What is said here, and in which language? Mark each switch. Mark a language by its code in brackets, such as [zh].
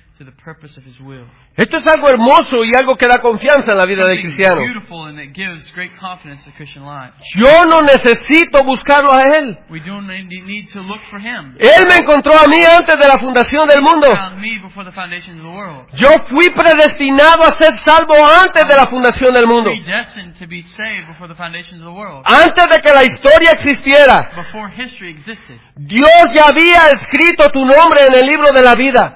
[en] to the purpose of His will. [es] Esto es algo hermoso y algo que da confianza en la vida del cristiano. [en] Beautiful and it gives great confidence to Christian life. [es] Yo no necesito buscarlo a Él. [en] We don't need to look for Him. [es] Él me encontró a mí antes de la fundación del mundo. [en] He found me before the foundation of the world. [es] Yo fui predestinado a ser salvo antes de la fundación del mundo. [en] Predestined to be saved before the foundation of the world. [es] Antes de que la historia existiera. [en] Before history existed. [es] Dios ya había escrito tu nombre en el libro de la vida.